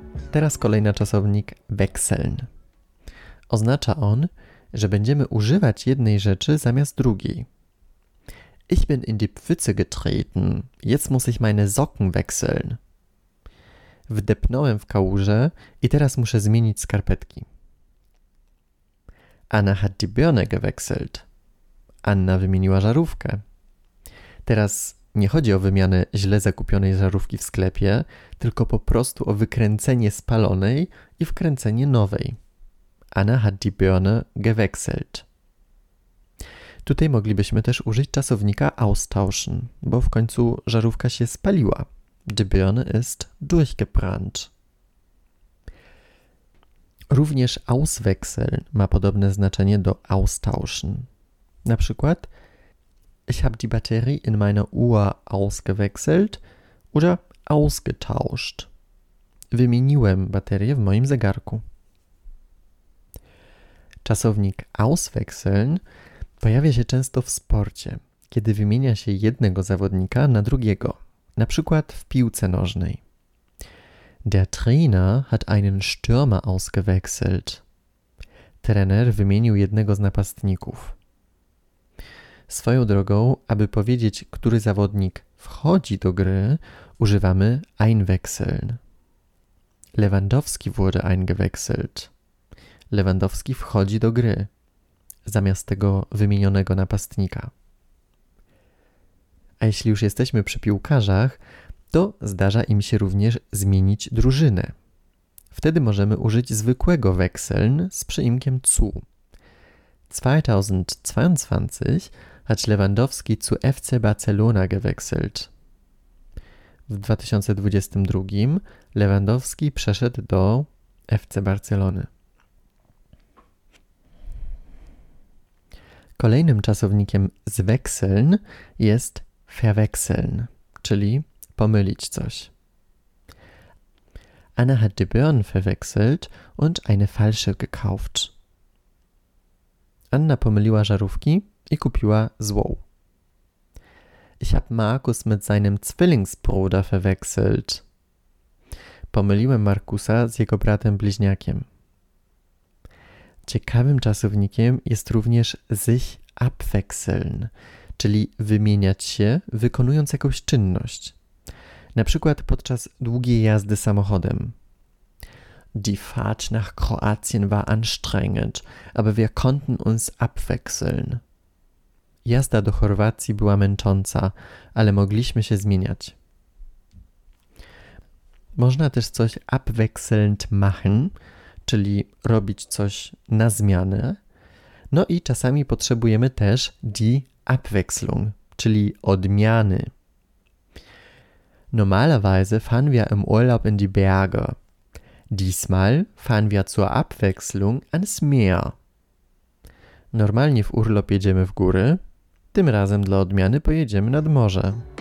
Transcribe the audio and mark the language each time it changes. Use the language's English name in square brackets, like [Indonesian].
[Polish] Teraz kolejny czasownik wechseln. Oznacza on, że będziemy używać jednej rzeczy zamiast drugiej. [German] Ich bin in die Pfütze getreten. Jetzt muss ich meine Socken wechseln. [Polish] Wdepnąłem w kałużę i teraz muszę zmienić skarpetki. [German] Anna hat die Birne gewechselt. [Polish] Anna wymieniła żarówkę. Teraz Nie chodzi o wymianę źle zakupionej żarówki w sklepie, tylko po prostu o wykręcenie spalonej i wkręcenie nowej. [German] Anna hat die Birne gewechselt. [Polish] Tutaj moglibyśmy też użyć czasownika austauschen, bo w końcu żarówka się spaliła. [German] Die Birne ist durchgebrannt. [Polish] Również auswechseln ma podobne znaczenie do austauschen. Na przykład [German] ich habe die Batterie in meiner Uhr ausgewechselt oder ausgetauscht. [Polish] Wymieniłem baterię w moim zegarku. Czasownik auswechseln pojawia się często w sporcie, kiedy wymienia się jednego zawodnika na drugiego, na przykład w piłce nożnej. [German] Der Trainer hat einen Stürmer ausgewechselt. [Polish] Trener wymienił jednego z napastników. Swoją drogą, aby powiedzieć, który zawodnik wchodzi do gry, używamy einwechseln. [German] Lewandowski wurde eingewechselt. [Polish] Lewandowski wchodzi do gry, zamiast tego wymienionego napastnika. A jeśli już jesteśmy przy piłkarzach, to zdarza im się również zmienić drużynę. Wtedy możemy użyć zwykłego wechseln z przyimkiem zu. [German] 2022 hat Lewandowski zu FC Barcelona gewechselt. [Polish] W 2022 Lewandowski przeszedł do FC Barcelony. Kolejnym czasownikiem z wechseln jest verwechseln, czyli pomylić coś. [German] Anna hat die Birnen verwechselt und eine falsche gekauft. [Polish] Anna pomyliła żarówki i kupiła złą. [German] Ich habe Markus mit seinem Zwillingsbruder verwechselt. [Polish] Pomyliłem Markusa z jego bratem bliźniakiem. Ciekawym czasownikiem jest również sich abwechseln, czyli wymieniać się, wykonując jakąś czynność. Na przykład podczas długiej jazdy samochodem. [German] Die Fahrt nach Kroatien war anstrengend, aber wir konnten uns abwechseln. [Polish] Jazda do Chorwacji była męcząca, ale mogliśmy się zmieniać. Można też coś [German] abwechselnd machen, [Polish] czyli robić coś na zmianę. No i czasami potrzebujemy też die Abwechslung, czyli odmiany. [German] Normalerweise fahren wir im Urlaub in die Berge. Diesmal fahren wir zur Abwechslung ans Meer. [Polish] Normalnie w urlop jedziemy w góry, tym razem dla odmiany pojedziemy nad morze.